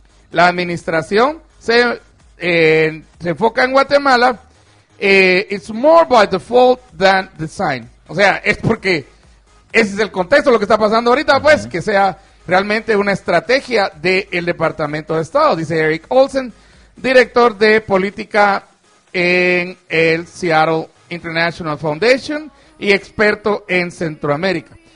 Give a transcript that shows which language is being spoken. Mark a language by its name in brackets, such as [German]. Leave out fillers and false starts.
[Spanish] La administración se enfoca en Guatemala. [English] It's more by default than design. [Spanish] O sea, es porque ese es el contexto, lo que está pasando ahorita, pues, que sea realmente una estrategia del Departamento de Estado, dice Eric Olsen, director de política en el Seattle International Foundation y experto en Centroamérica.